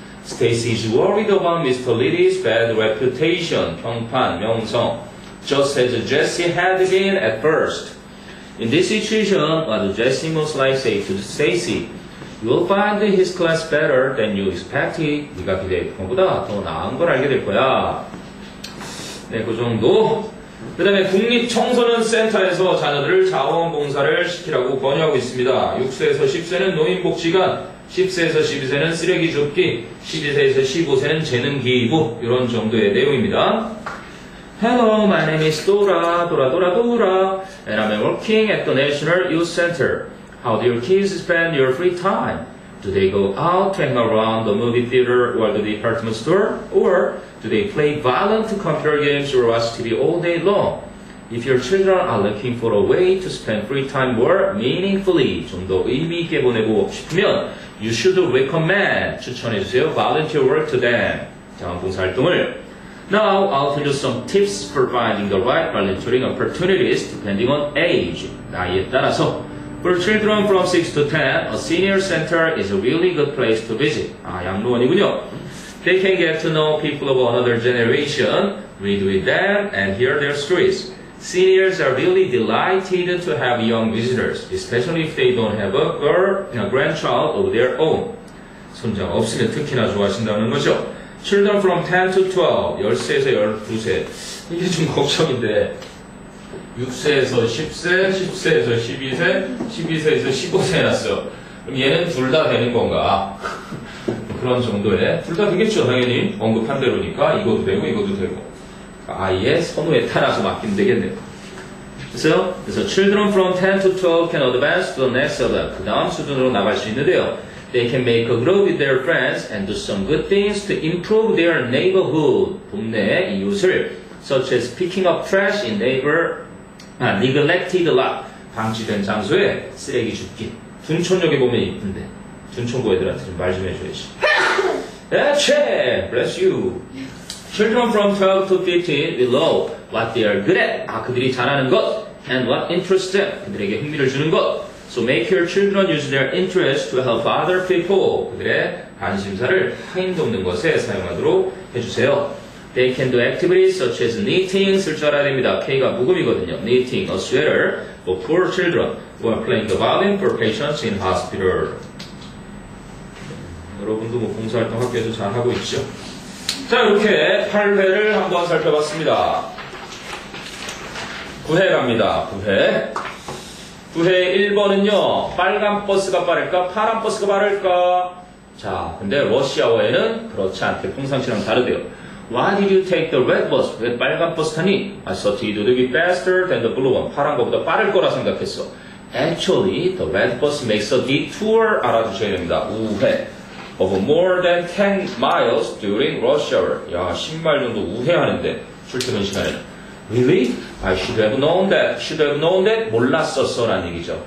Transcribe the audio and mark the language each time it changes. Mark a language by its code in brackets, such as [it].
[en] Stacy is worried about Mr. Liddy's bad reputation, [ko] 평판, 명성. [en] Just as Jesse had been at first. In this situation, what does Jesse most likely say to Stacy? You'll find his class better than you expected. [ko] 네가 기대했던 것보다 더 나은 걸 알게 될 거야. 네, 그 정도. 그 다음에 국립청소년센터에서 자녀들을 자원봉사를 시키라고 권유하고 있습니다. 6세에서 10세는 노인복지관, 10세에서 12세는 쓰레기줍기, 12세에서 15세는 재능기부, 이런 정도의 내용입니다. [en] Hello, my name is Dora, Dora, Dora, Dora, and I'm working at the National Youth Center. How do your kids spend your free time? Do they go out to hang around the movie theater or the department store? Or do they play violent computer games or watch TV all day long? If your children are looking for a way to spend free time more meaningfully, [ko] 좀 더 의미 있게 보내고 싶으면, [en] you should recommend, [ko] 추천해주세요, [en] volunteer work to them. [ko] 자원봉사 활동을. [en] Now, I'll tell you some tips for finding the right volunteering opportunities depending on age, [ko] 나이에 따라서. [en] For children from 6 to 10, a senior center is a really good place to visit. [ko] 아, 양로원이군요. [en] They can get to know people of another generation, read with them, and hear their stories. Seniors are really delighted to have young visitors, especially if they don't have a girl, a grandchild of their own. [ko] 손자가 없으면 특히나 좋아하신다는 거죠. [en] Children from 10 to 12, [ko] 10세에서 12세. 이게 좀 걱정인데. 6세에서 10세, 10세에서 12세, 12세에서 15세 해놨어요. 그럼 얘는 둘 다 되는 건가? 그런 정도의. 둘 다 되겠죠, 당연히. 언급한 대로니까. 이것도 되고, 이것도 되고. 아예 선호에 따라서 맡기면 되겠네요. [en] 그래서 children from 10 to 12 can advance to the next level. [ko] 그 다음 수준으로 나갈 수 있는데요. [en] They can make a group with their friends and do some good things to improve their neighborhood. [ko] 동네의 이웃을. [en] Such as picking up trash in neighbor, neglected lot. [ko] 방치된 장소에 쓰레기 줍기. 둔촌역에 보면 이쁜데. 둔촌고 애들한테 좀 말 좀 해줘야지. [en] 에체! Bless you. Children from 12 to 15 will know what they are good at. [ko] 아, 그들이 잘하는 것. [en] And what interests them. [ko] 그들에게 흥미를 주는 것. [en] So make your children use their interest to help other people. [ko] 그들의 관심사를 타인 돕는 것에 사용하도록 해주세요. [en] They can do activities such as knitting. [ko] 쓸 줄 알아야 됩니다. K가 묵음이거든요. [en] Knitting a sweater for poor children who are playing the violin for patients in hospital. [ko] 여러분도 뭐 봉사활동 학교에서 잘 하고 있죠. 자, 이렇게 8회를 한번 살펴봤습니다. 9회 갑니다. 9회. 9회 1번은요. 빨간 버스가 빠를까? 파란 버스가 빠를까? 자, 근데 러시아어에는 그렇지 않대. 평상시랑 다르대요. [en] Why did you take the red bus? [ko] 왜 빨간 버스 타니? [en] I thought it would be faster than the blue one. [ko] 파란 거보다 빠를 거라 생각했어. [en] Actually, the red bus makes a detour. [ko] 알아두셔야 됩니다. 우회. [en] Of more than 10 miles during rush hour. [ko] 야, 10마일 정도 우회하는데. 출퇴근 시간에. [en] Really? I should have known that. Should have known that? [ko] 몰랐었어. 라는 얘기죠.